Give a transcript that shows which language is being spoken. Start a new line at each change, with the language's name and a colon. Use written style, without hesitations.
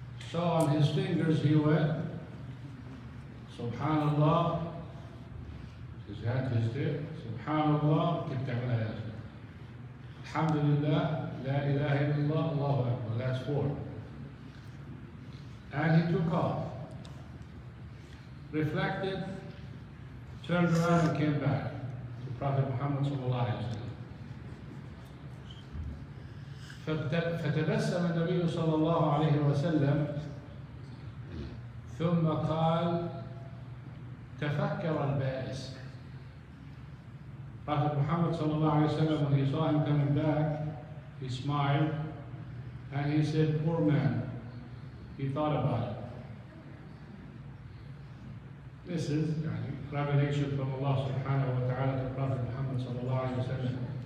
English: So on his fingers he went سبحان الله. His hand is there.
Arabic: سبحان الله كنت على يسر. الحمد لله لا إله إلا الله الله أكبر.
English: That's four. And he took off, reflected, turned around and came back to Prophet Muhammad صلى الله عليه وسلم.
Arabic: فتبسم النبي صلى الله عليه وسلم ثم قال: تفكر البائس.
English: Prophet Muhammad صلى الله عليه وسلم, when he saw him coming back, he smiled and he said, poor man, he thought about it. This is revelation from Allah subhanahu wa ta'ala to Prophet Muhammad صلى الله عليه وسلم.